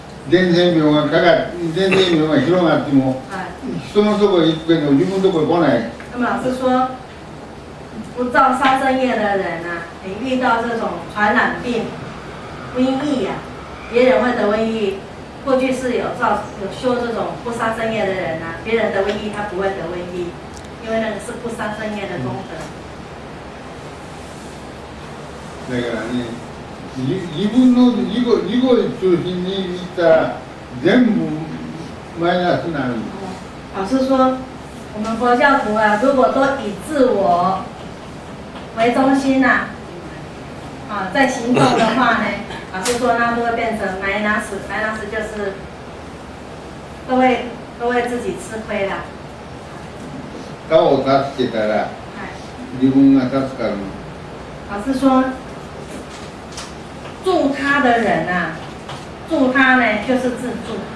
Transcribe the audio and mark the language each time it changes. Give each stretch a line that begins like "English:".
Japanese: 伝染病がかかって、伝染病が広がっても、人のところに行くけど、自分のところに来ない。
Chinese: でも老师说、不造杀生业的人啊、你遇到这种传染病、瘟疫啊、别人会得瘟疫、过去是有造、有修这种不杀生业的人啊、别人得瘟疫、他不会得瘟疫、因为那个是不杀生业的功德。
Japanese: だからね、自分の自己、自己を中心にしたら全部マイナスになる。
Chinese: 老师说我们佛教徒啊，如果都以自我为中心呐、在行动的话呢，老师说那都会变成minus，就是都会自己吃亏的。
Japanese: 他を助けたら自分が助かる。
Chinese: 老师说助他的人啊，助他呢就是自助。